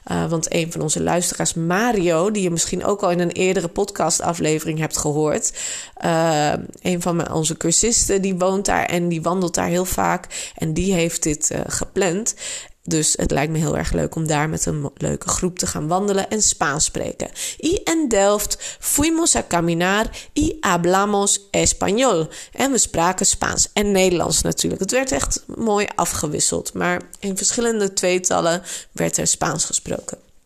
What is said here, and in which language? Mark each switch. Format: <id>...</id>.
<nl>Want een van onze luisteraars, Mario, die je misschien ook al in een eerdere podcast aflevering hebt gehoord. Een van onze cursisten, die woont daar en die wandelt daar heel vaak. En die heeft dit gepland. Dus het lijkt me heel erg leuk om daar met een leuke groep te gaan wandelen en Spaans spreken.</nl> <es>Y en Delft fuimos a caminar y hablamos español.</es> <nl>En we spraken Spaans en Nederlands natuurlijk. Het werd echt mooi afgewisseld, maar in verschillende tweetallen werd er Spaans gesproken.</nl>